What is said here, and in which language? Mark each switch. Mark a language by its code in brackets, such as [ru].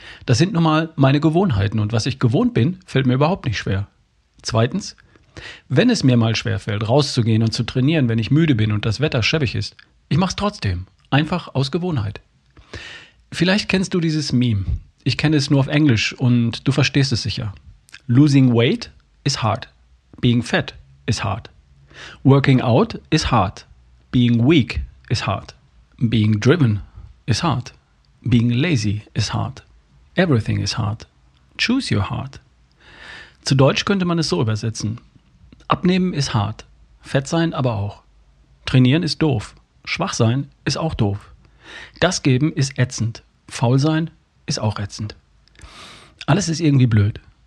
[de] Das sind nun mal meine Gewohnheiten und was ich gewohnt bin, fällt mir überhaupt nicht schwer. Zweitens, wenn es mir mal schwerfällt, rauszugehen und zu trainieren, wenn ich müde bin und das Wetter schäbig ist, ich mach's trotzdem, einfach aus Gewohnheit. Vielleicht kennst du dieses Meme, ich kenne es nur auf Englisch und du verstehst es sicher. [en] Losing weight is hard, being fat is hard, working out is hard, being weak is hard, being driven is hard, being lazy is hard. Everything is hard. Choose your heart. [de] Zu Deutsch könnte man es so übersetzen. Abnehmen ist hart. Fett sein aber auch. Trainieren ist doof. Schwach sein ist auch doof. Das Geben ist ätzend. Faul sein ist auch ätzend. Alles ist irgendwie blöd.